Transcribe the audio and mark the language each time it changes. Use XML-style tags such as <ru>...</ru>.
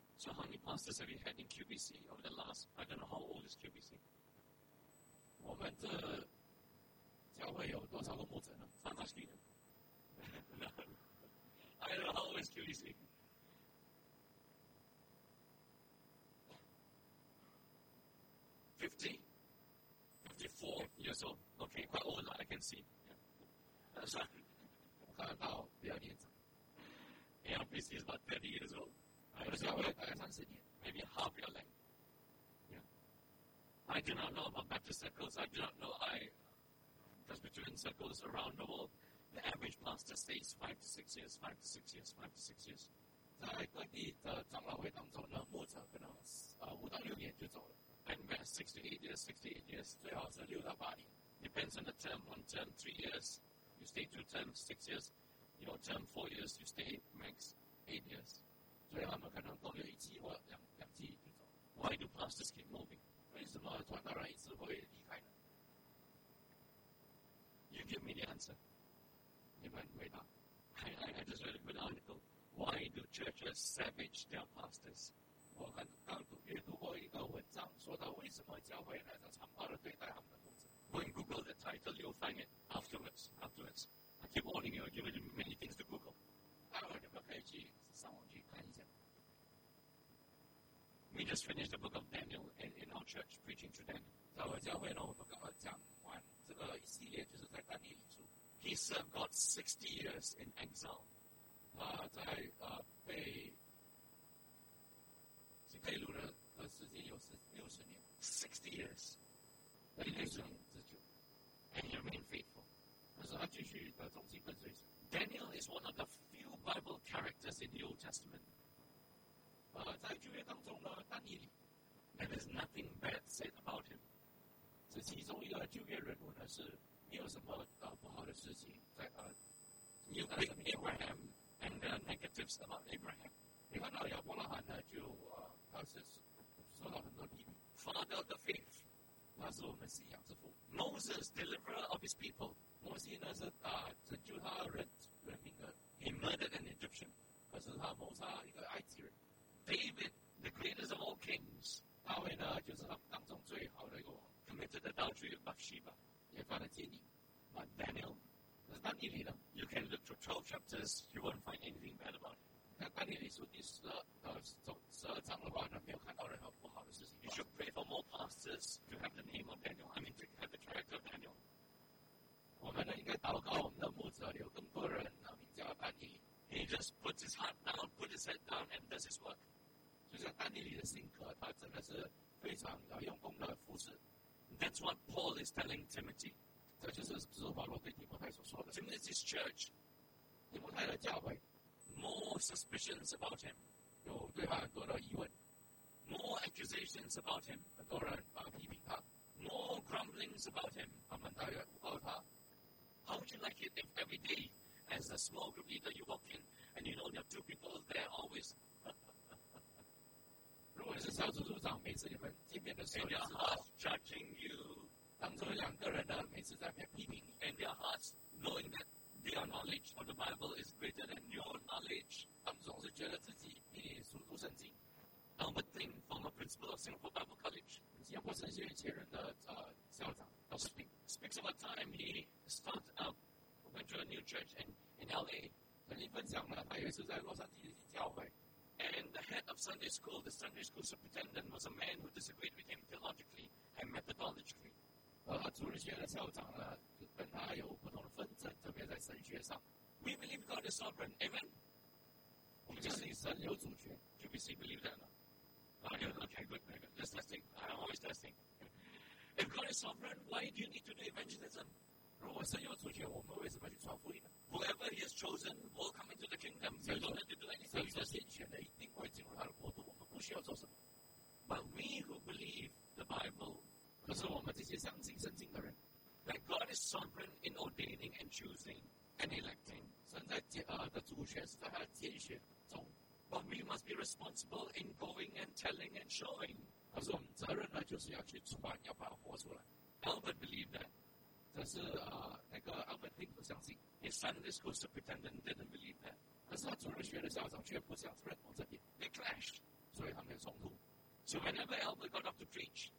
<en>So how many pastors have you had in QBC over the last? I don't know how old is QBC.</en> <zh>我们这教会有多少个牧者呢</zh> <en>？I'm asking you. No. I don't know how it's QBC. Fifty-four years old. Okay, quite old, I can see. Yeah. Sorry.</en> <zh>我看到比较年长。</zh> <en>ARPC is about 30 years old.</en> <zh>我的教会大概30年</zh> <en>，maybe half your length. Yeah. I do not know about Baptist circles. I do not know. Presbyterian circles around the world, the average pastor stays 5 to 6 years, 5 to 6 years, 5 to 6 years.</en> <zh>在各地的长老会当中呢，牧者可能5到6年就走了。</zh> <en>And best 6 to 8 years, 6 to 8 years,</en> <zh>最好是6到8年。</zh> <en>Depends on the term. One term 3 years, you stay 2 terms, 6 years. Your term 4 years, you stay max 8 years.</en> <zh>所以他们可能都有1期或2期就走。</zh> <en>Why do pastors keep moving?</en> <zh>为什么传道人一直会离开呢？</zh> <en>You give me the answer.</en> <zh>你们回答。</zh> <en>I just read a good article. Why do churches savage their pastors?</en> <zh>我刚读过一个文章，说到为什么教会来的残暴的对待他们的牧者。</zh> <en>When Google the title, you'll find it afterwards. I keep warning you, I've given many things to Google.</en> <zh>待会儿你们可以去上网去看一下。</zh> <en>We just finished the book of Daniel in our church, preaching to Daniel.</en> <zh>在我教会呢，我们刚刚讲完这个一系列，就是在丹尼里书。</zh> <en>He served God 60 years in exile.</en> <zh>他在被被掳的时间有60年。</zh> <en>60 years.</en> <zh>在历史之久。</zh> <en>And he remained faithful.</en> <zh>可是他继续的忠心跟随神。</zh> <en>Daniel is one of the few Bible characters in the Old Testament.</en> <zh>在旧约当中呢，丹尼里</zh> <en>，there is nothing bad said about him。</en> <zh>这其中一个旧约人物呢，是没有什么不好的事情在</zh> <en>You pick Abraham and the negatives about Abraham。</en> <zh>你看到亚伯拉罕呢，就他是受到很多批评。</zh> <en>Father of the faith，</en> <zh>他是我们信仰之父。</zh> <en>Moses, deliverer of his people，</en> <zh>摩西呢是拯救他人民的。</zh> <en>He murdered an Egyptian，</en> <zh>可是他谋杀一个埃及人。</zh> <en>David, the greatest of all kings,</en> <zh>大卫呢，就是他们当中最好的一个王。</zh> <en>Committed adultery with Bathsheba,</en> <zh>也犯了奸淫。</zh> <en>But Daniel,</en> <zh>那丹尼里呢</zh> <en>？You can look through 12 chapters, you won't find anything bad about it.</en> <zh>看丹尼里书第十二章的话呢，没有看到任何不好的事情。</zh> <en>You should pray for more pastors to have the name of Daniel. I mean, to have the character of Daniel.</en> <zh>我们呢，应该祷告我们的牧者有更多人呢，名叫丹尼。</zh> <en>He just puts his heart down, puts his head down, and does his work.</en> <zh>就像丹尼里的性格，他真的是非常用功的服侍。</zh> <en>That's what Paul is telling Timothy.</en> <zh>这就是使徒保罗对提摩太所说的。</zh> <en>Timothy's church,</en> <zh>提摩太的教会</zh> <en>more suspicions about him,</en> <zh>有对他很多的疑问</zh> <en>more accusations about him,</en> <zh>很多人批评他</zh> <en>more grumblings about him,</en> <zh>他们大约告他。</zh> <en>How would you like it if every day? As a small group leader, you walk in, and you know there are two people there always.</en> <zh>如果是小组组长，每次你们见面的时候</zh> <en>，and their hearts judging you，</en> <zh>当中两个人呢，每次在那边批评你</zh> <en>，and their hearts knowing that their knowledge of the Bible is greater than your knowledge，</en> <zh>他们总是觉得自己比你熟读圣经。</zh> <en>I would think from a principal of Singapore Bible College，</en> <zh>新加坡神学院前任的校长</zh> <en>，speaks about time he started up。 Went to a new church in LA.</en> <zh>曾经分享了，他也是在洛杉矶的教会。</zh> <en>And the head of Sunday school, the Sunday school superintendent, was a man who disagreed with him theologically and methodologically.</en> <zh>主日学的校长呢，跟他有不同的纷争，特别在神学上。</zh> <en>We believe God is sovereign, amen.</en> <zh>我们相信神有主权。</zh> <en>Do we still believe that? Okay, good. Just testing. I'm always testing. If God is sovereign, why do you need to do evangelism?</en> <zh>如果神有主权，我们为什么去传福音呢</zh> <en>？Whoever he has chosen will come into the kingdom. You don't have to do anything.</en> <zh>神所选的一定会进入他的国度，我们不需要做什么。</zh> <en>But we who believe the Bible,</en> <zh>可是我们这些相信圣经的人</zh> <en>，that God is sovereign in ordaining and choosing and electing.</en> <zh>神在的主权是在他的拣选中。</zh> <en>But we must be responsible in going and telling and showing.</en> <zh>可是我们责任呢，就是要去传，要把它活出来。</zh> <en>Albert believed that.</en> <zh>但是那个 Albert 并不相信</zh> <en>，His Sunday school superintendent didn't believe that。</en> <zh>但是他主日学的校长却不想认同这点</zh> <en>，They clashed，</en> <zh>所以他们有冲突。</zh> <en>So whenever Albert got up to preach，</en>